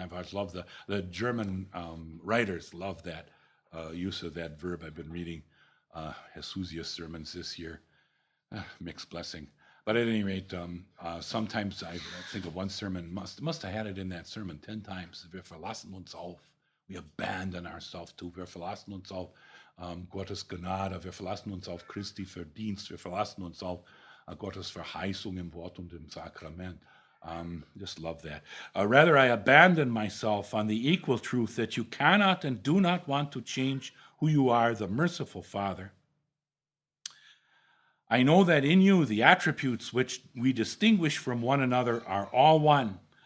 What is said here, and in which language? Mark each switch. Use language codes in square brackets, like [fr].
[en] I've always loved the German writers love that use of that verb. I've been reading Hesusius' sermons this year. Mixed blessing. But at any rate, sometimes I think of one sermon, must have had it in that sermon 10 times. [de] Wir verlassen uns auf. [en] We abandon ourselves to. [de] Wir verlassen uns auf Gottes Gnade. Wir verlassen uns auf Christi Verdienst. Wir verlassen uns auf Gottes Verheißung im Wort und im Sakrament. [en] Just love that. Rather, I abandon myself on the equal truth that you cannot and do not want to change who you are, the merciful Father. I know that in you the attributes which we distinguish from one another are all one.